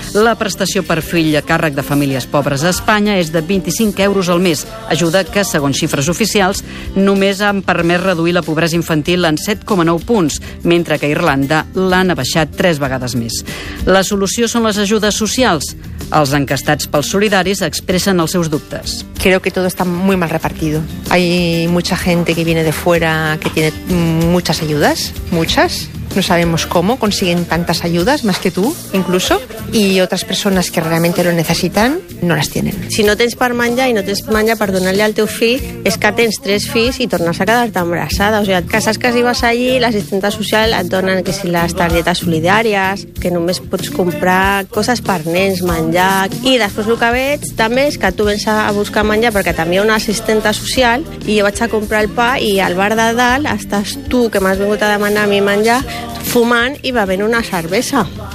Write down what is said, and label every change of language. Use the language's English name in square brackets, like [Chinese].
[Catalan] La prestació per fill a càrrec de famílies pobres a Espanya és de 25 euros al mes, ajuda que, segons xifres oficials, només han permès reduir la pobresa infantil en 7,9 punts, mentre que a Irlanda l'han abaixat 3 vegades més. La solució són les ajudes socials. Els enquestats pels solidaris expressen els seus dubtes. [Spanish] Creo que todo está muy mal repartido. Hay mucha gente que viene de fuera que tiene muchas ayudas, muchas. No sabemos cómo consiguen tantas ayudas, más que tú, incluso. Y otras personas que realmente lo necesitan, no las tienen. [Catalan] Si no tens per menjar i no tens menjar per donar-li al teu fill, és que tens 3 fills i tornes a quedar-te embarassada. O sigui, que saps que si vas allí, l'assistenta social et donen que si les targetes solidàries, que només pots comprar coses per nens, menjar... I després el que veig també és que tu vens a buscar menjar perquè també hi ha una assistenta social i jo vaig a comprar el pa i al bar de dalt estàs tu, que m'has vingut a demanar a mi menjar, fumant i bevent una cervesa.